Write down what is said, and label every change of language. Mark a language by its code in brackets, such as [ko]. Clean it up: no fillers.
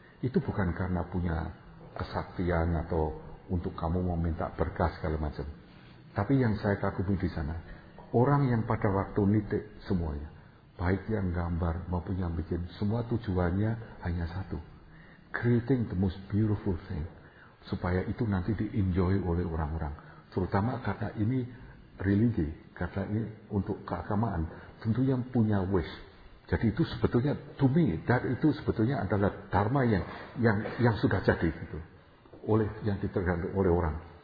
[id] Itu bukan karena punya kesaktian atau untuk kamu mau minta berkah segala macam. Tapi yang saya kagumi di sana, orang yang pada waktu nitik semuanya, baik yang gambar maupun yang bikin, semua tujuannya hanya satu. [en] Creating the most beautiful thing. [id] Supaya itu nanti di-enjoy oleh orang-orang. Terutama karena ini religi, karena ini untuk keagamaan. Tentu yang punya wish. Jadi itu sebetulnya [en] to me, [id] dan itu sebetulnya adalah dharma yang sudah jadi gitu, oleh yang ditergantung oleh orang.